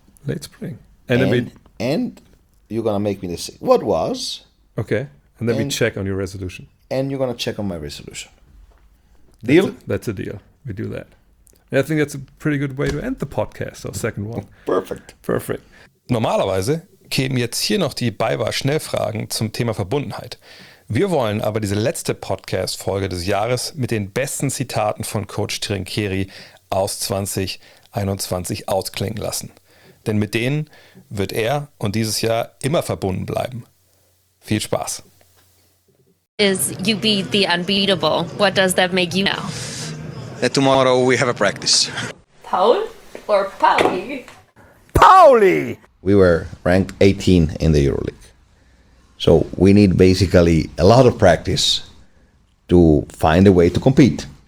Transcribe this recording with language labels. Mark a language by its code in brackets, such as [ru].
[en] Late spring. And you're going to make me the same. What was? Okay. And then we check on your resolution. And you're going to check on my resolution. Deal? That's a deal. We do that. And I think that's a pretty good way to end the podcast, our second one. Perfect. [de] Normalerweise kämen jetzt hier noch die Baywatch-Schnellfragen zum Thema Verbundenheit. Wir wollen aber diese letzte Podcast-Folge des Jahres mit den besten Zitaten von Coach Tinkieri aus 2021 ausklingen lassen. Denn mit denen wird er und dieses Jahr immer verbunden bleiben. Viel Spaß. [en] Is you beat the unbeatable. What does that make you now? That tomorrow we have a practice. Paul or Pauli? Pauli! We were ranked 18 in the EuroLeague. So we need basically a lot of practice to find a way to compete.